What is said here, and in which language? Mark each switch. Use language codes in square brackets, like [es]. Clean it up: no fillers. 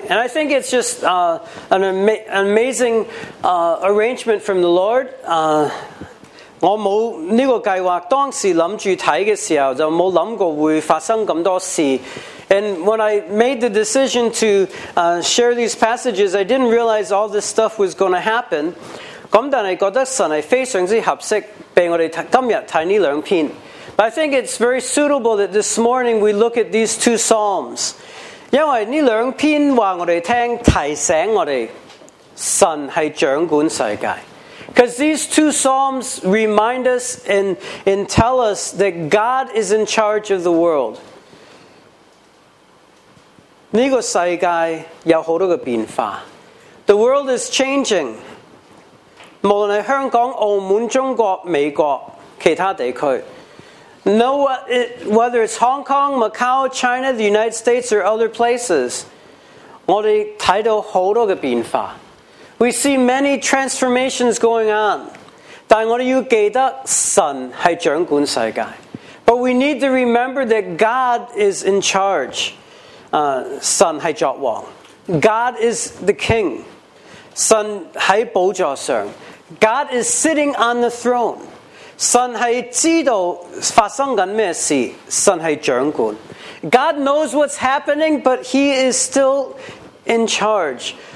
[en] And I think it's just an amazing arrangement from the Lord. [zh] 我没有这个计划，当时想着看的时候就没有想过会发生这么多事。 [en] And when I made the decision to share these passages, I didn't realize all this stuff was going to happen. [zh] 但是觉得神是非常合适给我们今天看这两篇。 [en] But I think it's very suitable that this morning we look at these two Psalms. [zh] 因为这两篇告诉我们，听提醒我们，神是掌管世界。 [en] Because these two psalms remind us and tell us that God is in charge of the world. [zh] 这个世界有很多的变化。 [en] The world is changing. [zh] 无论是香港、澳门、中国、美国、其他地区。 [en] Whether it's Hong Kong, Macau, China, the United States, or other places, [zh] 我们看到很多的变化。 [en] We see many transformations going on. [zh] 但我们要记得神是掌管世界。 [en] But we need to remember that God is in charge. [zh] 神是作王。 [en] God is the king. [zh] 神是宝座上。 [en] God is sitting on the throne. [zh] 神是知道发生紧咩事，神是掌管。 [en] God knows what's happening, but He is still in charge.